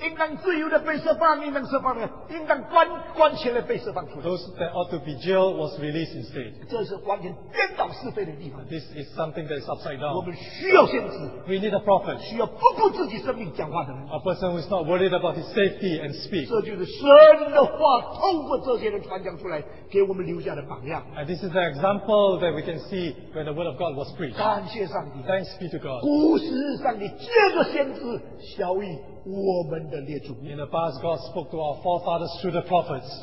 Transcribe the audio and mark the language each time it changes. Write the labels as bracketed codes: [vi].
[zh] 应当自由地被释放, 应当释放, 应当关起来被释放出来. [en] Those that ought to be jailed was released instead. This is something that is upside down. [zh] 我们需要先知, [en] we need a prophet. [zh] 需要不顾自己生命讲话的人, [en] a person who is not worried about his safety and speak. [zh] 这就是神的话透过这些人传讲出来, [en] and this is the example that we can see when the word of God was preached. Thanks be to God. [zh] 古时上帝借着先知晓谕我们的列祖. [en] In the past, God spoke to our forefathers through the prophets.